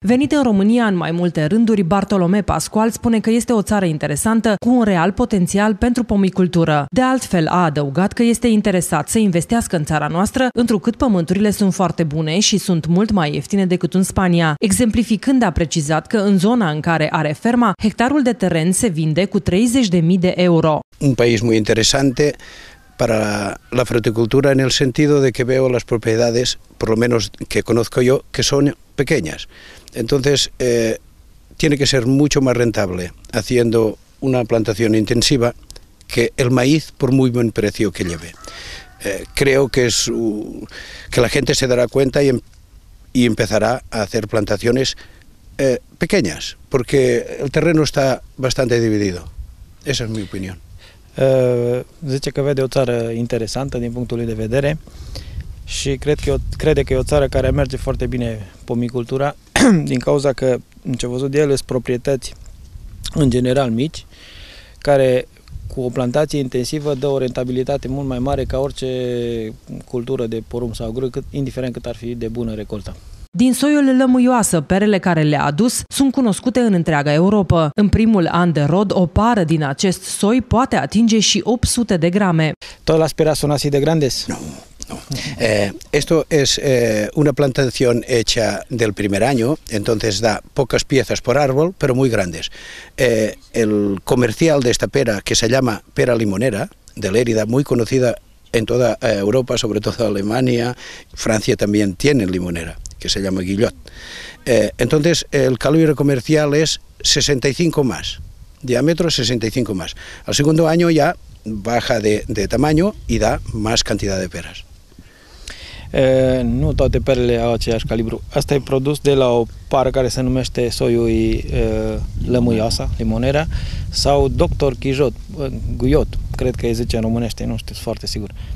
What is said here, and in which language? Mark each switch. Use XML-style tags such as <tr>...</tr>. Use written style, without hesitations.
<ro>Venit în România în mai multe rânduri, Bartolome Pascual spune că este o țară interesantă cu un real potențial pentru pomicultură. De altfel, a adăugat că este interesat să investească în țara noastră, întrucât pământurile sunt foarte bune și sunt mult mai ieftine decât în Spania. Exemplificând, a precizat că în zona în care are ferma, hectarul de teren se vinde cu 30.000 de euro.</ro> <es>Un país muy interesante para la fruticultura en el sentido de que veo las propiedades, por lo menos que conozco yo, que son pequeñas. Entonces, tiene que ser mucho más rentable haciendo una plantación intensiva que el maíz por muy buen precio que lleve. Creo que es que la gente se dará cuenta y empezará a hacer plantaciones pequeñas, porque el terreno está bastante dividido. Esa es mi opinión.</es> <ro>Zice că vede o țară interesantă din punctul lui de vedere și crede că e o țară care merge foarte bine pomicultura din cauza că, în ce văzut de el, sunt proprietăți în general mici, care cu o plantație intensivă dă o rentabilitate mult mai mare ca orice cultură de porumb sau grâu, indiferent cât ar fi de bună recolta. Din soiul lămâioasă, perele care le-a adus sunt cunoscute în întreaga Europa. În primul an de rod, o pară din acest soi poate atinge și 800 de grame.</ro> <es>Tot la spera sunt así de grandes?</es> <ro>Nu, nu.</ro> <es>Esto es una plantación hecha del primer año, entonces da pocas piezas por árbol, pero muy grandes. El comercial de esta pera, que se llama pera limonera, de Lérida, muy conocida en toda Europa, sobre todo Alemania, Francia también tiene limonera, que se llama Guillot. Entonces, el calibre comercial es 65 más, diámetro 65 más. Al segundo año ya baja de tamaño y da más cantidad de peras.</es> <ro>Nu toate perele au aceeași calibru. Asta e produs de la o pară care se numește soiul lămâioasa, limonera, sau Dr. Guillot, Guillot, cred că e zice în românește, nu știu, foarte sigur.</ro>